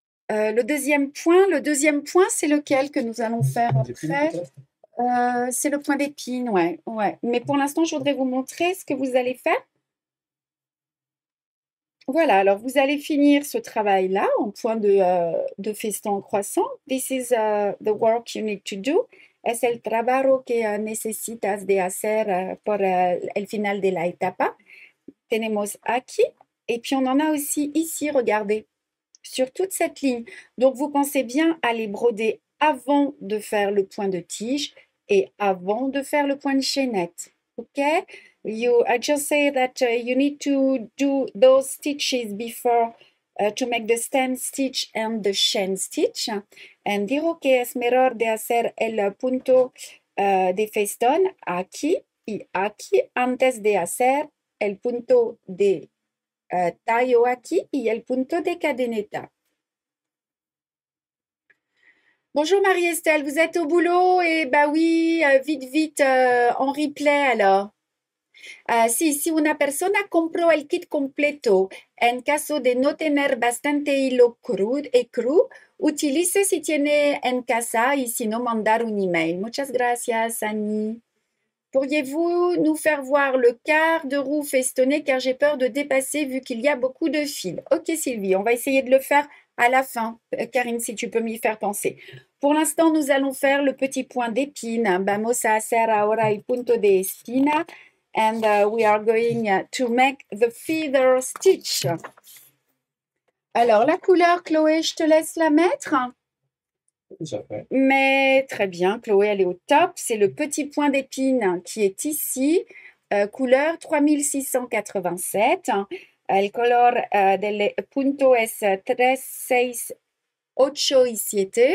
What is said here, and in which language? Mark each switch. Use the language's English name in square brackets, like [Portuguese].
[French] Le deuxième point, c'est lequel que nous allons faire après? C'est le point d'épine, ouais, ouais. Mais pour l'instant, je voudrais vous montrer ce que vous allez faire. Voilà, alors vous allez finir ce travail-là en point de feston en croissant. [English] This is the work you need to do. [Spanish] Es el trabajo que necesitas de hacer por el final de la etapa. Tenemos aquí. [French] Et puis, on en a aussi ici, regardez, sur toute cette ligne. Donc, vous pensez bien à les broder avant de faire le point de tige et avant de faire le point de chaînette. OK? [English] I just say that you need to do those stitches before to make the stem stitch and the chain stitch. And [Spanish] digo que es mejor de hacer el punto de festón aquí y aquí antes de hacer el punto de tallo aquí y el punto de cadeneta. [French] Bonjour Marie-Estelle, vous êtes au boulot et bah oui, vite, en replay alors. [Spanish] Si una persona compró el kit completo, en caso de no tener bastante hilo cru, utilice si tiene en casa y si no, mandar un email. Muchas gracias, Annie. [French] Pourriez-vous nous faire voir le quart de roue festonné car j'ai peur de dépasser vu qu'il y a beaucoup de fils. OK, Sylvie, on va essayer de le faire à la fin. Karine, si tu peux m'y faire penser. Pour l'instant, nous allons faire le petit point d'épine. [Spanish] Vamos a hacer ahora el punto de espina. [English] And we are going to make the feather stitch. [French] Alors, la couleur, Chloé, je te laisse la mettre. Mais très bien, Chloé, elle est au top. C'est le petit point d'épine qui est ici. Couleur 3687. [Spanish] El color del punto es 368 [French] ici.